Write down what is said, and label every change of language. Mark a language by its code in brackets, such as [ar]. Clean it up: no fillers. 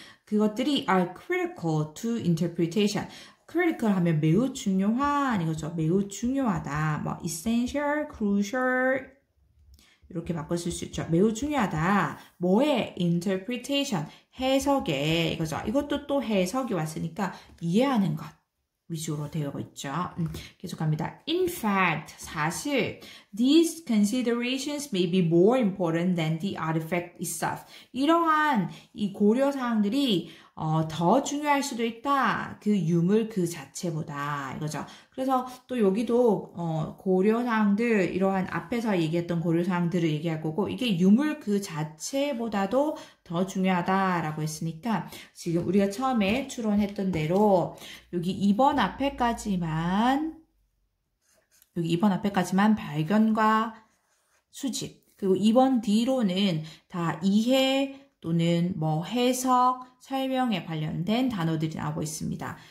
[ko] 그것들이 [en] are critical to interpretation. [ko] critical 하면 매우 중요한, 이거죠. 매우 중요하다. 뭐, essential, crucial, 이렇게 바꿔 쓸수 있죠. 매우 중요하다. 뭐의 interpretation, 해석에 이거죠. 이것도 또 해석이 왔으니까 이해하는 것 위주로 되어 있죠. 계속합니다. [en] In fact, [ko] 사실 [en] these considerations may be more important than the artifact itself. [ko] 이러한 이 고려 사항들이 더 중요할 수도 있다. 그 유물 그 자체보다 이거죠. 그래서 또 여기도 고려 사항들 이러한 앞에서 얘기했던 고려 사항들을 얘기할 거고 이게 유물 그 자체보다도 더 중요하다라고 했으니까 지금 우리가 처음에 추론했던 대로 여기 2번 앞에까지만 발견과 수집 그리고 2번 뒤로는 다 이해 또는 뭐 해석 설명에 관련된 단어들이 나오고 있습니다.